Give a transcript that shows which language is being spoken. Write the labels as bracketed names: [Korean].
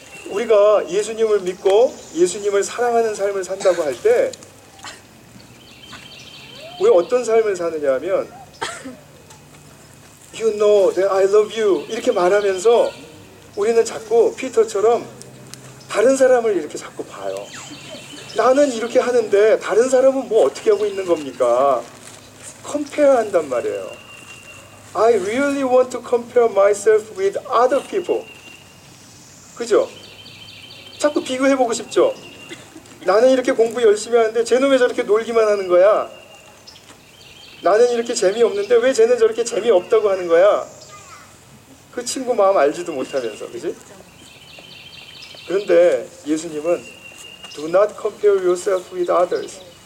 [Korean] 우리가 예수님을 믿고 예수님을 사랑하는 삶을 산다고 할 때 왜 어떤 삶을 사느냐 하면 [English] You know that I love you [Korean] 이렇게 말하면서 우리는 자꾸 피터처럼 다른 사람을 이렇게 자꾸 봐요. 나는 이렇게 하는데 다른 사람은 뭐 어떻게 하고 있는 겁니까? Compare 한단 말이에요. [English] I really want to compare myself with other people. [Korean] 그죠? 자꾸 비교해보고 싶죠? 나는 이렇게 공부 열심히 하는데 쟤는 왜 저렇게 놀기만 하는 거야? 나는 이렇게 재미없는데 왜 쟤는 저렇게 재미없다고 하는 거야? 그 친구 마음 알지도 못하면서, 그지? 그런데 예수님은 [English] Do not compare yourself with others.